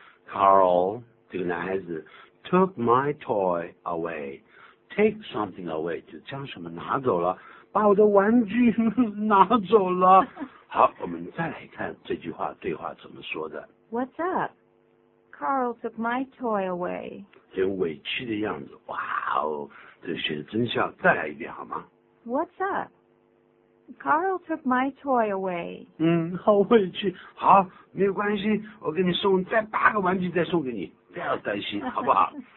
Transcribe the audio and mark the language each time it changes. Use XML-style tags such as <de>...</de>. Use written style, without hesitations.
<en>Carl</en> <zh>这个男孩子</zh> <en>took my toy away. Take something away</en> <zh>就将什么拿走了，把我的玩具拿走了。好，我们再来看这句话对话怎么说的。</zh> <en>What's upCarl took my toy away.</en> <zh>很委屈的样子，哇哦，这写的真像，再来一遍好吗？</zh> <en>What's up? Carl took my toy away.</en> <zh>嗯，好委屈，好，没有关系，我给你送再八个玩具再送给你，不要担心，好不好？</zh>